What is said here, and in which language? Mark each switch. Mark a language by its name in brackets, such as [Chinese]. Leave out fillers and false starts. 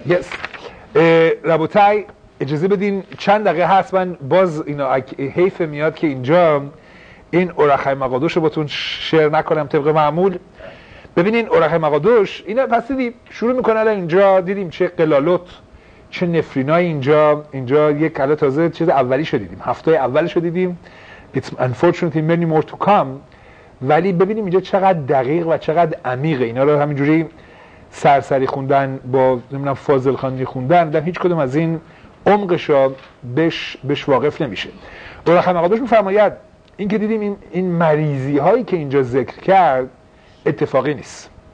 [Persian] یس ربوتای، اجازه بدین چند دقیقه هست، من باز اینا حیف میاد که اینجا این اورخای مقدس رو باتون شیر نکنم طبق معمول. ببینین اورخه مقدوش اینا، پس دیدیم شروع میکنه الان اینجا، دیدیم چه قلالوت، چه نفرینای اینجا یک کلا تازه چیز اولی شدیدیم، هفته اولش رو دیدیم. [English] It's unfortunately many more to come. [Persian] ولی ببینیم اینجا چقدر دقیق و چقدر عمیقه. اینا رو همینجوری سرسری خوندن با نمیدونم فاضل خانی خوندن، دیدم هیچ کدوم از این عمقش بهش واقف نمیشه. اورخه مقدوش میفرماید این که دیدیم این مریضی هایی که اینجا ذکر کرد اتفاقی نیست.